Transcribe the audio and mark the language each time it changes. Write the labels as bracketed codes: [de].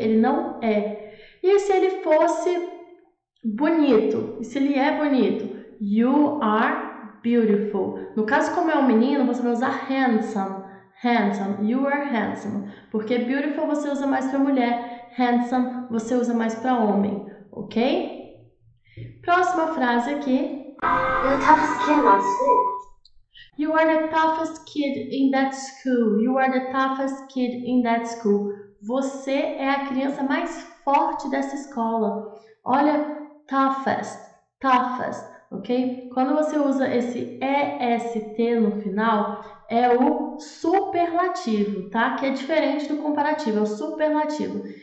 [pt] Ele não é. E se ele fosse bonito? E se ele é bonito? [en] You are beautiful. [pt] No caso, como é um menino, você vai usar handsome. Handsome. [en] You are handsome. [pt] Porque beautiful você usa mais para mulher, handsome você usa mais para homem, ok? Próxima frase aqui. [en] You're the toughest kid in my school. You are the toughest kid in that school. You are the toughest kid in that school. [pt] Você é a criança mais forte dessa escola. Olha, toughest, toughest, ok? Quando você usa esse EST no final, é o superlativo, tá? Que é diferente do comparativo, é o superlativo.